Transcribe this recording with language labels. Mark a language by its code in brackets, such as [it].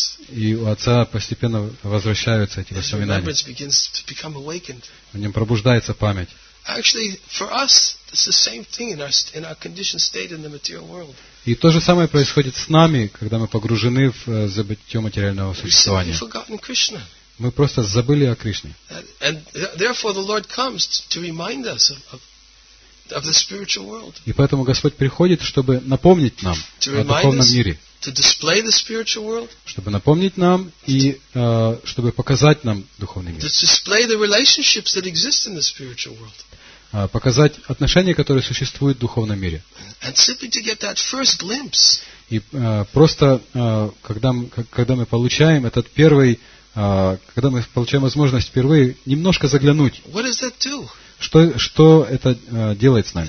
[ru] И у отца постепенно возвращаются эти воспоминания. В нем пробуждается память. [en] Actually, for us, it's the same thing in our conditioned state in the material world. [ru] И то же самое происходит с нами, когда мы погружены в забытье материального существования. [en] We've forgotten Krishna. [ru] Мы просто забыли о Кришне. [en] And therefore, the Lord comes to remind us of the spiritual world. [ru] И поэтому Господь приходит, чтобы напомнить нам о духовном мире. [en] To display the spiritual world. [ru] Чтобы напомнить нам и чтобы показать нам духовный мир. [en] To display the relationships that exist in the spiritual world. [ru] Показать отношения, которые существуют в духовном мире. [en] And simply to get that first glimpse. [ru] И просто когда мы получаем этот первый, когда мы получаем возможность впервые немножко заглянуть. [en] What does that do? [ru] Что это делает с нами?